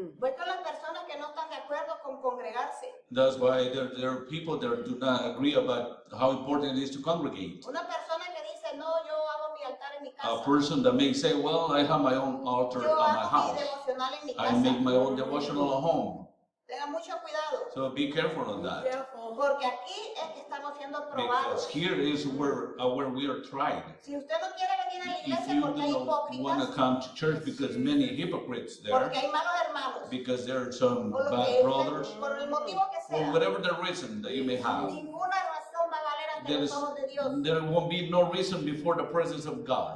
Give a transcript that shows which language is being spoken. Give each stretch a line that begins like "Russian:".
Spanish: Voy con las personas que no están de acuerdo con congregarse.
English: That's why there are people that do not agree about how important it is to congregate.
Spanish: Una persona que dice, no,
English: a person that may say, well, I have my own altar at my house. I make my own devotional at home.
Spanish: Tenga mucho cuidado.
English: So be careful on that.
Spanish: Porque aquí es que estamos siendo probados.
English: Because here is where we are tried.
Spanish: Si usted no quiere venir a la iglesia porque hay hipócritas.
English: If you don't want to come to church because many hypocrites there.
Spanish: Porque hay malos hermanos.
English: Because there are some bad brothers.
Spanish: Por el motivo que sea.
English: Or whatever the reason that you may have.
Spanish: Ninguna razón va a valer ante los ojos de Dios.
English: There won't be no reason before the presence of God.